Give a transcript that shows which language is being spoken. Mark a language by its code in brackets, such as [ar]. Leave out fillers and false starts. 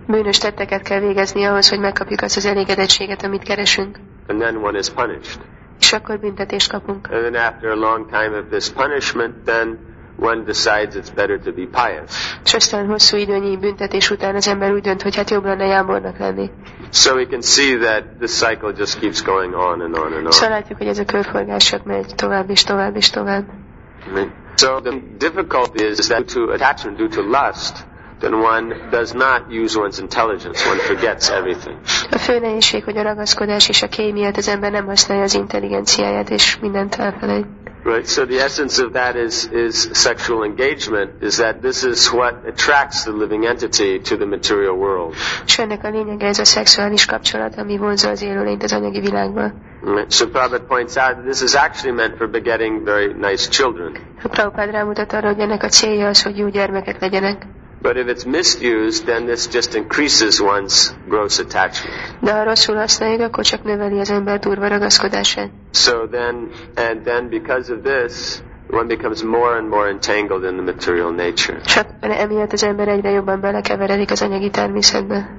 [hu] Bűnös tetteket kell végezni ahhoz, hogy megkapjuk azt az elégedettséget, amit keresünk. [en] And then one is punished. [hu] És akkor büntetést kapunk. [en] And then after a long time of this punishment, then one decides it's better to be pious. [hu] És aztán hosszú időnyi büntetés után az ember úgy dönt, hogy hát jobb lenne jámbornak lenni. [en] So we can see that the cycle just keeps going on and on and on. [hu] Szóval látjuk, hogy ez a körforgás csak megy tovább és tovább és tovább. [en] So the difficulty is that due to attachment, due to lust, then one does not use one's intelligence. One forgets everything. [hu] A fő nehézség, hogy a ragaszkodás és a kéj miatt az ember nem használja az intelligenciáját és mindent elfelejt. [en] Right. So the essence of that is sexual engagement. Is that this is what attracts the living entity to the material world? [hu] És ennek a lényege ez a szexuális kapcsolat, ami vonza az élőlényt az anyagi világba. [en] Right. So Prabhupada points out that this is actually meant for begetting very nice children. [hu] Prabhupada rámutat arra, hogy ennek a célja az, hogy jó gyermekek legyenek. [en] But if it's misused, then this just increases one's gross attachment. [hu] De ha rosszul használjuk, akkor csak növeli az ember durva ragaszkodását. [en] So then, and then because of this, one becomes more and more entangled in the material nature. [hu] Csak emiatt az ember egyre jobban belekeveredik az anyagi természetbe.